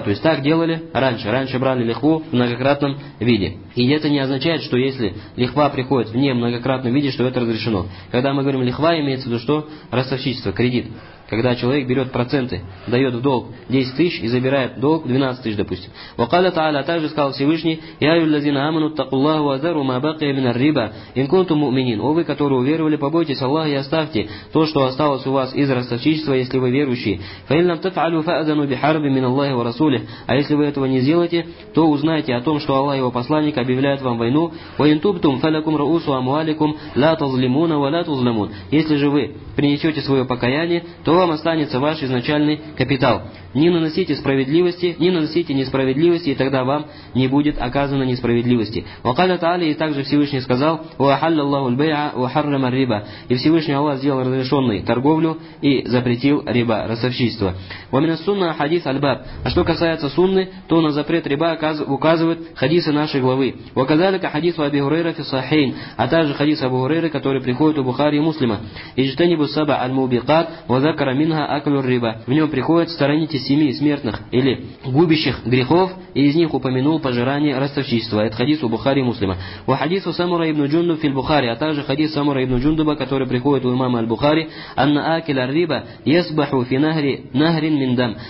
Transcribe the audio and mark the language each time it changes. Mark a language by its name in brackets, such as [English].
[Russian] То есть так делали раньше. Раньше брали лихву в многократном виде. И это не означает, что если лихва приходит в немногократном виде, что это разрешено. Когда мы говорим лихва, имеется в виду что? Ростовщичество, кредит. Когда человек берет проценты, дает в долг 10 тысяч и забирает долг 12 тысяч, допустим. [Arabic] وقال تعالى [Russian] также сказал Всевышний: [Arabic] يا الذين آمنوا اتقوا الله وذروا ما بقي من الربا إن كنتم مؤمنين. [Russian] О вы, которые уверовали, побойтесь Аллаха и оставьте то, что осталось у вас из ростовщичества, если вы верующие. [Arabic] فإن لم تفعلوا فأذنوا بحرب من الله ورسوله. [Russian] А если вы этого не сделаете, то узнайте о том, что Аллах и его посланник объявляют вам войну. [Arabic] وإن تبتم فلكم رؤوس أموالكم لا تظلمون ولا تظلمون. [Russian] Если же вы принесете свое покаяние, то вам останется ваш изначальный капитал. Не наносите справедливости, не наносите несправедливости, и тогда вам не будет оказано несправедливости. [Arabic] وقالت علي, [Russian] и также Всевышний сказал: [Arabic] وحل الله البيع وحرم الربا. [Russian] И Всевышний Аллах сделал разрешенной торговлю и запретил риба, ростовщичество. [Arabic] ومن السنة حديث الباب. [Russian] А что касается сунны, то на запрет риба указывают хадисы нашей главы. [Arabic] وكذلك حديث أبي هريرة في الصحيحين. [Russian] А также хадис Абу Хурейры, который приходит у Бухари и Муслима. [Arabic] اجتنبوا السبع الموبقات وذكر منها أكل الربا. [Russian] В нем приходит сторонить семи смертных или губящих грехов, и из них упомянул пожирание ростовщичества. Это хадис у Бухари и Муслима. [Arabic] У хадису Самура ибн Джунду фил Бухари, [Russian] а также хадис Самура ибн Джундуба, который приходит у имама аль-Бухари, [Arabic] анна акил ар-риба йасбаху фи нахри нахрин мин дам.